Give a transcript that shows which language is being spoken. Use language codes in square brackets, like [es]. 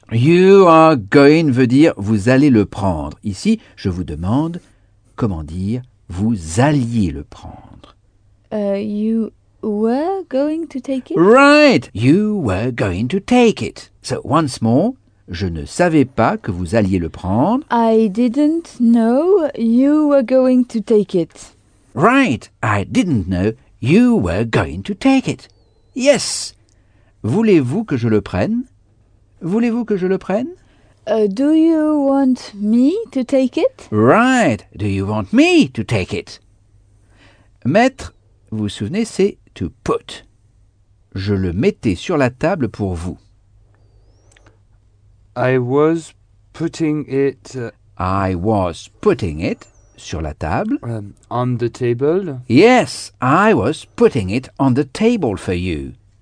[en] You are going [fr] veut dire vous allez le prendre. Ici, je vous demande comment dire vous alliez le prendre. [en] You were going to take it. Right, you were going to take it. So once more, [fr] je ne savais pas que vous alliez le prendre. [en] I didn't know you were going to take it. Right, I didn't know you were going to take it. Yes. [fr] Voulez-vous que je le prenne? Voulez-vous que je le prenne? [en] Do you want me to take it? Right. Do you want me to take it? [fr] Mettre, vous vous souvenez, c'est [en] to put. [fr] Je le mettais sur la table pour vous. [en] I was putting it... I was putting it [fr] sur la table. [en] On the table. Yes, I was putting it on the table for you.